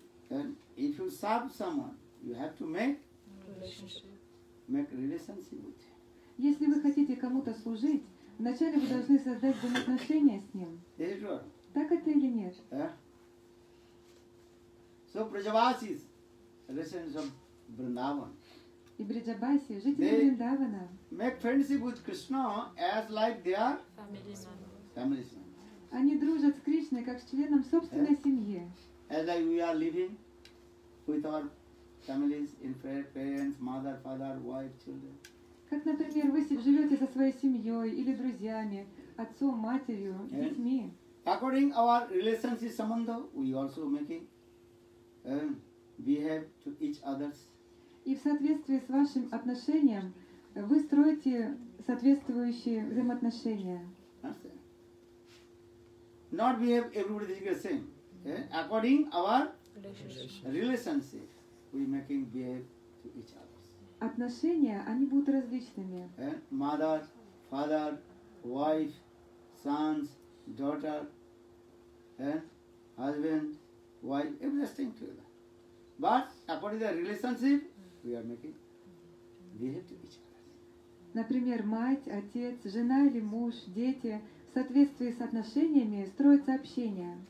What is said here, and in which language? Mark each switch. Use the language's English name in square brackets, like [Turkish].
[English] And if you serve someone, you have to make relationship with him. [Russian] Если вы хотите кому-то служить, вначале вы должны создать взаимоотношения с ним. Так это или нет? [English] So Brijavasis, residents of Vrindavan. [Russian] И Бриджабаси, жители Вриндавана. [English] Make friendship with Krishna as like they are family members. [Russian] Они дружат с Кришной как с членом собственной семьи. [English] As like we are living with our families, infant, parents, mother, father, wife, children. [Russian] Как, например, вы живете со своей семьей или друзьями, отцом, матерью, детьми. [English] According our relationship samanda, we also making behave to each others. [Russian] И в соответствии с вашим отношением вы строите соответствующие взаимоотношения. [English] Not behave everybody the same. According our relationship. We making behave to each other. [Russian] Отношения, они будут различными. [English] Mother, father, wife, sons, daughter, husband, wife, everything together. But according to the relationship, we are making behave to each other. [Russian] Например, мать, отец, жена или муж, дети, в соответствии с отношениями строится общение.